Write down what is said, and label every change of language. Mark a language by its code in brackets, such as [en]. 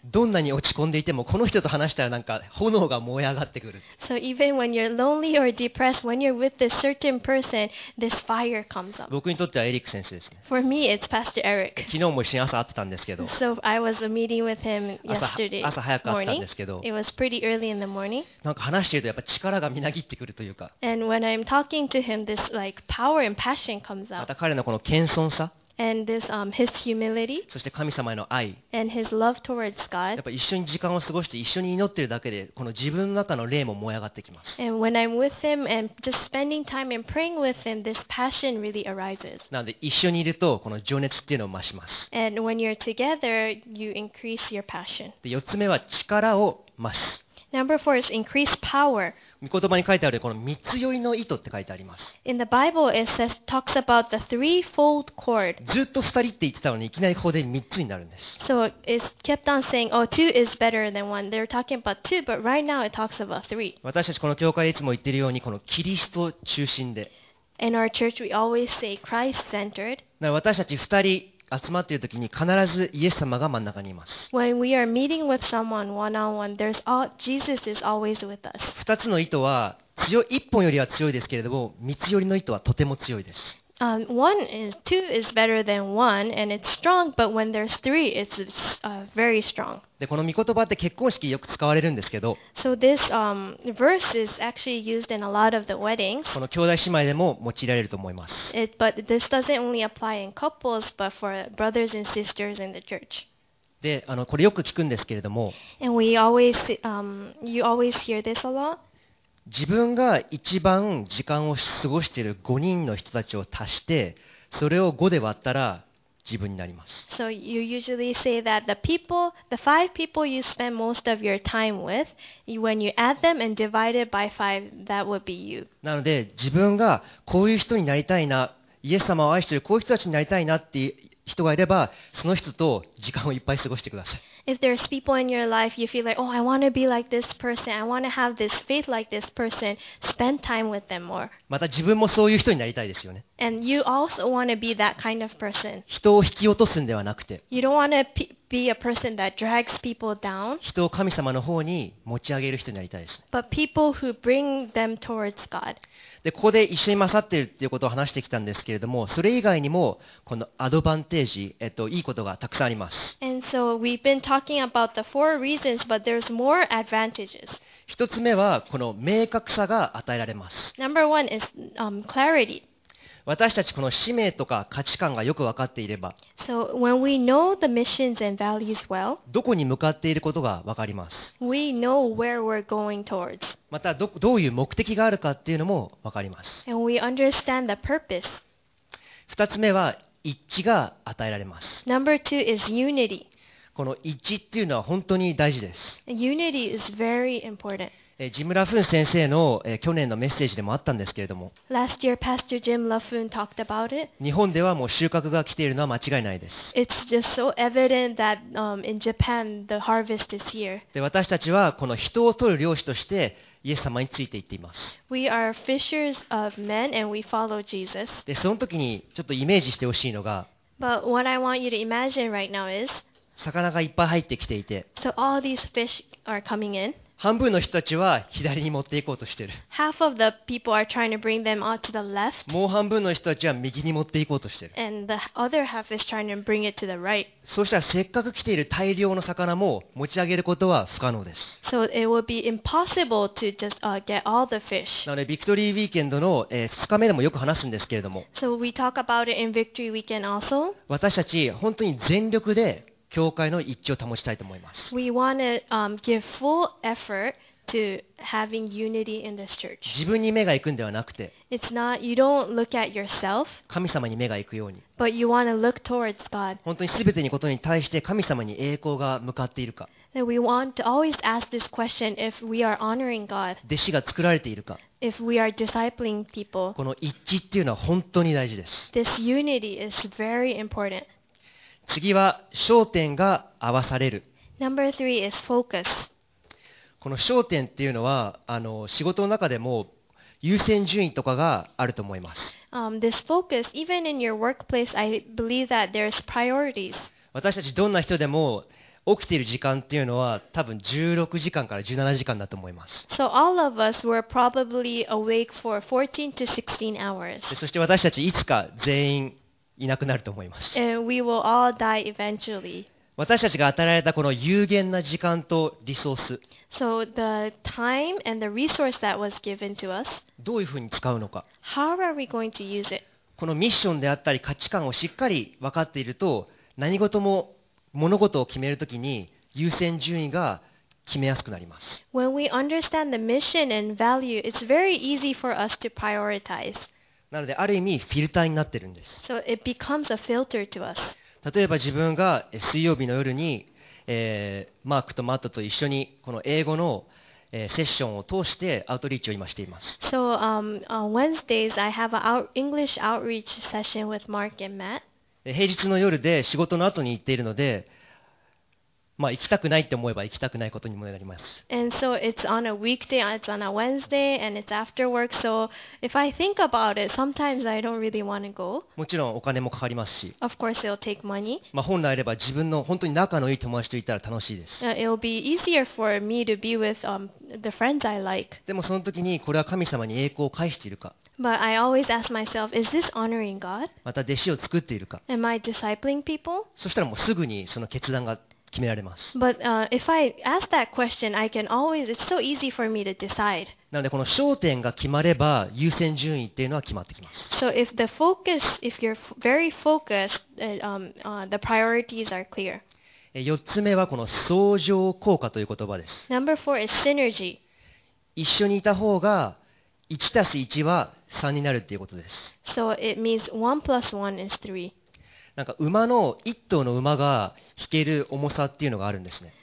[ja] どんなに落ち込んでいてもこの人と話したらなんか炎が燃え上がってくる。 [en] So even when you're lonely or depressed, when you're with this certain person, this fire comes up. [ja] 僕にとってはエリック先生ですね。 [en] For me, it's Pastor Eric. [ja] 昨日も一緒に朝会ってたんですけど。 [en] So I was meeting with him yesterday morning. [ja] 朝早く会ったんですけど。 [en] It was pretty early in the morning. [ja] なんか話してるとやっぱ力がみなぎってくるというか。 [en] And when I'm talking to him, this like power and passion comes up. [ja] また彼のこの謙遜さ。 [en] And this, his humility, [ja] そして神様への愛 [en] and his love towards God. [ja] やっぱ一緒に時間を過ごして一緒に祈ってるだけでこの自分の中の霊も燃え上がってきます。 [en] And when I'm with him and just spending time and praying with him, this passion really arises. [ja] なので一緒にいるとこの情熱っていうのを増します。 [en] And when you're together, you increase your passion. [ja] で、四つ目は力を増す。 [en] Number four is increased power. [ja] 御言葉に書いてあるこの三つ寄りの糸って書いてあります。 [en] In the Bible, it says talks about the threefold cord. [ja] ずっと二人って言ってたのにいきなりここで三つになるんです。 [en] So it kept on saying, oh, two is better than one. They're talking about two, but right now it talks about three. [ja] 私たちこの教会でいつも言ってるようにこのキリスト中心で。 [en] In our church, we always say Christ-centered. [ja] 私たち二人集まっている時に必ずイエス様が真ん中にいます。 [en] When we are meeting with someone one-on-one, there's all Jesus is always with us. [ja] 二つの糸は強い一本よりは強いですけれども、三つ寄りの糸はとても強いです。 [en] One is two is better than one and it's strong, but when there's three, it's very strong. [ja] でこの御言葉って結婚式よく使われるんですけど。 [en] So this verse is actually used in a lot of the weddings. [ja] この兄弟姉妹でも用いられると思います。 [en] But this doesn't only apply in couples, but for brothers and sisters in the church. [ja] でこれよく聞くんですけれども。 [en] And we always you always hear this a lot. [ja] 自分が一番時間を過ごしている5人の人たちを足してそれを5で割ったら自分になります。 [en] So you usually say that the people, the five people you spend most of your time with, when you add them and divide it by five, that would be you. [ja] なので自分がこういう人になりたいな、イエス様を愛しているこういう人たちになりたいなっていう人がいればその人と時間をいっぱい過ごしてください。 [en] If there's people in your life, you feel like, oh, I want to be like this person. I want to have this faith like this person. Spend time with them more. [ja] また自分もそういう人になりたいですよね。 [en] And you also want to be that kind of person. [ja] 人を引き落とすんではなくて。 [en] You don't want to be a person that drags people down. [ja] 人を神様の方に持ち上げる人になりたいです。 [en] But people who bring them towards God. [ja] で、ここで一緒に勝ってるっていうことを話してきたんですけれども、それ以外にも、このアドバンテージ、いいことがたくさんあります。 [en] And so we've been talking about the four reasons, but there's more advantages. [ja] 一つ目は、この明確さが与えられます。 [en] Number one is, clarity. [ja] 私たちこの使命とか価値観がよく分かっていれば、 [en] so when we know the missions and values well, [ja] どこに向かっていることが分かります。 [en] We know where we're going towards. [ja] またどういう目的があるかっていうのも分かります。 [en] And we understand the purpose. [ja] 二つ目は一致が与えられます。 [en] Number two is unity. [ja] この一致っていうのは本当に大事です。 [en] Unity is very important. [ja] ジム・ラフン先生の去年のメッセージでもあったんですけれども [en] Last year, Pastor Jim LaFoon talked about it. [ja] 日本ではもう収穫が来ているのは間違いないです [en] It's just so evident that, in Japan, the harvest is here. [ja] で私たちはこの人を取る漁師としてイエス様についていっています [en] We are fishers of men and we follow Jesus. [ja] でその時にちょっとイメージしてほしいのが [en] But what I want you to imagine right now is [ja] 魚がいっぱい入ってきていて、 [en] so、all these fish are coming in. [ja] 半分の人たちは左に持っていこうとしている。 [en] Half of the people are trying to bring them out to the left. [ja] もう半分の人たちは右に持っていこうとしている。 [en] And the other half is trying to bring it to the right. [ja] そうしたらせっかく来ている大量の魚も持ち上げることは不可能です。 [en] So it would be impossible to just get all the fish. [ja] なのでビクトリーウィーケンドの2日目でもよく話すんですけれども、 [en] So we talk about it in Victory Weekend also. [ja] 私たち本当に全力で教会の一致を保ちたいと思います。 [en] We wanna, give full effort to having unity in this church. [ja] 自分に目が行くんではなくて、 [en] It's not, you don't look at yourself, [ja] 神様に目が行くように、 [en] but you wanna look towards God. [ja] 本当にすべてにことに対して神様に栄光が向かっているか。 [en] And we want to always ask this question if we are honoring God. [ja] 弟子が作られているか。 [en] If we are discipling people. [ja] この一致っていうのは本当に大事です。 [en] This unity is very important. [ja] 次は焦点が合わされる。 [en] Number three is focus. [ja] この焦点っていうのは仕事の中でも優先順位とかがあると思います。 [en] This focus, even in your workplace, I believe that there's priorities. [ja] 私たちどんな人でも起きている時間っていうのは多分16時間から17時間だと思います。 [en] So all of us were probably awake for 14 to 16 hours. [ja] そして私たちいつか全員いなくなると思います。 [en] And we will all die eventually. [ja] 私たちが与えられたこの有限な時間とリソース、 [en] so、the time and the resource that was given to us, [ja] どういうふうに使うのか。 [en] How are we going to use it? [ja] このミッションであったり価値観をしっかり分かっていると何事も物事を決めるときに優先順位が決めやすくなります。 [en] When we understand the mission and value, it's very easy for us to prioritize. [ja] なのである意味フィルターになってるんです。 [en] So、it becomes a filter to us. [ja] 例えば自分が水曜日の夜に、マークとマットと一緒にこの英語の、セッションを通してアウトリーチを今しています。 [en] So, on Wednesdays, I have an English outreach session with Mark and Matt. [ja] 平日の夜で仕事の後に行っているので、まあ、行きたくないって思えば行きたくないことにもなります。 [en] And so it's on a weekday, it's on a Wednesday, and it's after work. So if I think about it, sometimes I don't really want to go. [ja] もちろんお金もかかりますし。 [en] Of course it'll take money. [ja] まあ本来あれば自分の本当に仲のいい友達といたら楽しいです。 [en] It'll be easier for me to be with the friends I like. [ja] でもその時にこれは神様に栄光を返しているか。 [en] But I always ask myself, is this honoring God? [ja] また弟子を作っているか。 [en] Am I discipling people? [ja] そしたらもうすぐにその決断が決められます。 [en] But, if I ask that question, I can always, it's so easy for me to decide. [ja] なのでこの焦点が決まれば優先順位っていうのは決まってきます。 [en] So if the focus, if you're very focused, the priorities are clear. [ja] 4つ目はこの相乗効果という言葉です。 [en] Number 4 is synergy. [ja] 一緒にいた方が 1+1 は3になるっていうことです。 [en] So it means 1 plus 1 is 3. [ja] なんか馬の一頭の馬が引ける重さっていうのがあるんですね。